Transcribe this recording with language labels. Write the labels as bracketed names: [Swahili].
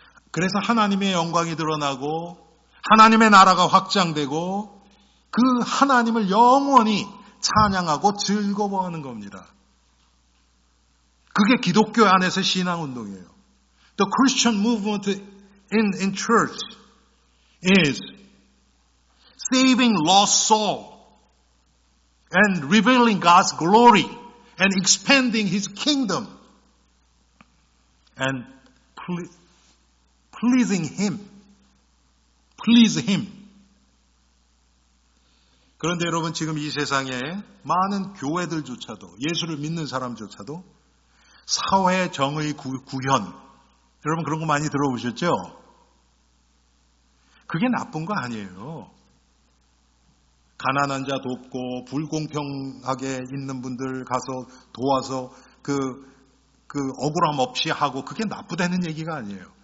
[Korean] 그래서 하나님의 영광이 드러나고 하나님의 나라가 확장되고 그 하나님을 영원히 찬양하고 즐거워하는 겁니다. 그게 기독교 안에서 신앙운동이에요. [English] The Christian movement in church is saving lost soul and revealing God's glory and expanding His kingdom and Please him. [Korean] 그런데 여러분 지금 이 세상에 많은 교회들조차도 예수를 믿는 사람조차도 사회 정의 구현 여러분 그런 거 많이 들어보셨죠? 그게 나쁜 거 아니에요. 가난한 자 돕고 불공평하게 있는 분들 가서 도와서 그 억울함 없이 하고 그게 나쁘다는 얘기가 아니에요.